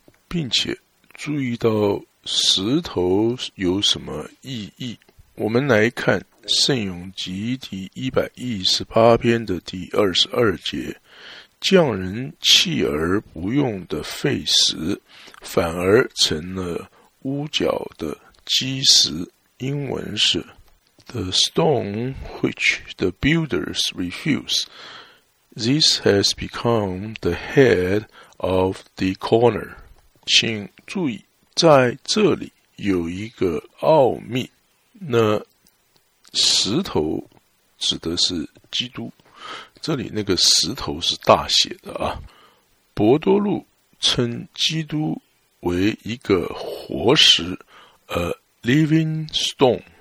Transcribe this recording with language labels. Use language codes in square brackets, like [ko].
[zh] 并且注意到石头有什么意义，我们来看圣咏集第118篇的第22节，匠人弃而不用的废石，反而成了屋角的基石。英文是 [en] The stone which the builders refuse, this has become the head of the corner. [zh] 请注意，在这里有一个奥秘，那石头指的是基督，这里那个石头是大写的啊。伯多禄称基督为一个活石， [en] a living stone。